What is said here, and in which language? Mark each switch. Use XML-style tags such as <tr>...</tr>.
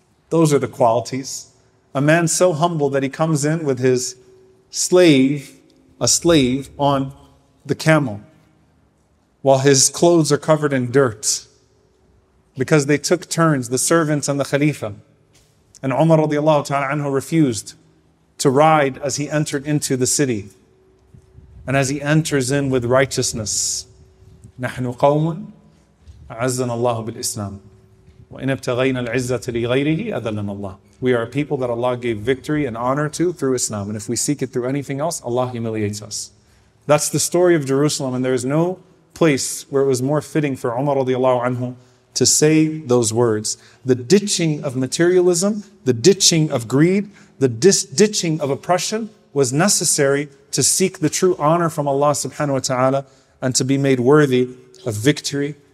<en>Those are the qualities. A man so humble that he comes in with his slave, a slave on the camel, while his clothes are covered in dirt. Because they took turns, the servants and the Khalifa. And Umar radiallahu ta'ala anhu refused to ride as he entered into the city. And as he enters in with righteousness,</en> <ar>نَحْنُ قَوْمٌ عَزَّنَ اللَّهُ بِالْإِسْلَامِ وَإِنَ ابْتَغَيْنَا الْعِزَّةِ لِغَيْرِهِ أَذَلَّنَا اللَّهُ.</ar> <en>We are a people that Allah gave victory and honor to through Islam. And if we seek it through anything else, Allah humiliates us. That's the story of Jerusalem. And there is no place where it was more fitting for Umar radiallahu anhu to say those words. The ditching of materialism, the ditching of greed, the ditching of oppression was necessary to seek the true honor from Allah subhanahu wa ta'ala and to be made worthy of victory.</en>